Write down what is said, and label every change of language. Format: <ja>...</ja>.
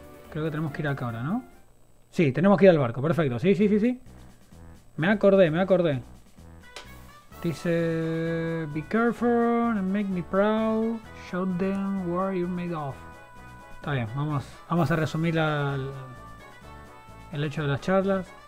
<es>Creo que tenemos que ir acá ahora, ¿no? Sí, tenemos que ir al barco, perfecto. Sí. Me acordé, me acordé.</es> <en>Dice: Be careful and make me proud. Show them where you're made of.</en> <es>Está bien, vamos a resumir el hecho de las charlas.</es>